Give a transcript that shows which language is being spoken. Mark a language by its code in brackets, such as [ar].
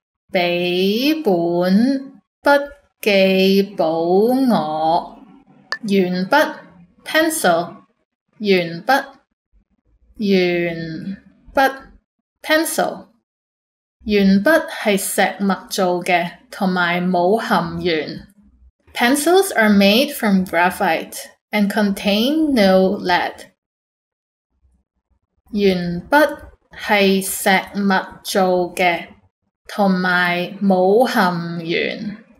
[yue] 俾本筆記簿我，鉛筆 pencil， 鉛筆，鉛筆 pencil。鉛筆是石墨做的，同埋冇含鉛。 [en] Pencils are made from graphite and contain no lead. [yue] 鉛筆是石墨做的，同埋冇含鉛。